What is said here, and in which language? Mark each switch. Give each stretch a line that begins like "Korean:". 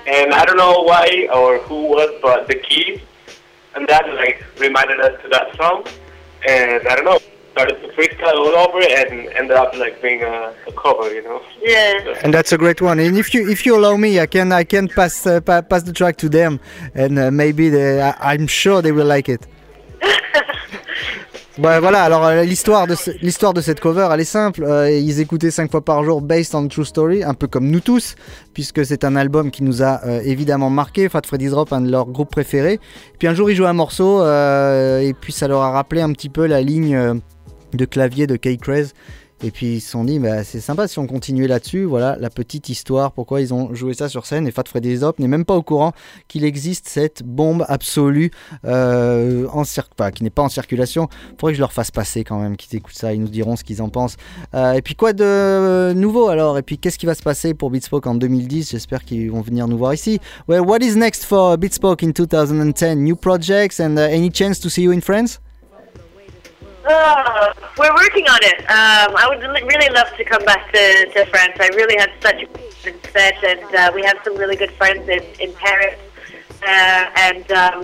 English: And I don't know why or who was, but the key, and that like reminded us to that song. And I don't know, started to freestyle all over it and ended up like being a cover, you know. Yeah. And that's a great one. And if you allow me, I can pass pass the track to them, and maybe I'm sure they will like it.
French: Bah voilà, alors l'histoire de cette cover, elle est simple. Ils écoutaient 5 fois par jour Based on True Story, un peu comme nous tous, puisque c'est un album qui nous a évidemment marqué, Fat Freddy's Drop, un de leurs groupes préférés. Puis un jour ils jouent un morceau et puis ça leur a rappelé un petit peu la ligne de clavier de Cake Craze. Et puis ils se sont dit, c'est sympa si on continuait là-dessus. Voilà la petite histoire, pourquoi ils ont joué ça sur scène. Et Fat Freddy's Drop n'est même pas au courant qu'il existe cette bombe absolue qui n'est pas en circulation. Faudrait que je leur fasse passer quand même, qu'ils écoutent ça, ils nous diront ce qu'ils en pensent. Et puis quoi de nouveau alors? Et puis qu'est-ce qui va se passer pour Beatspoke en 2010? J'espère qu'ils vont venir nous voir ici.
English: Well, what is next for Beatspoke in 2010? New projects and any chance to see you in France? We're working on it. I would really love to come back to France. I really had such a good set, and we have some really good friends in Paris.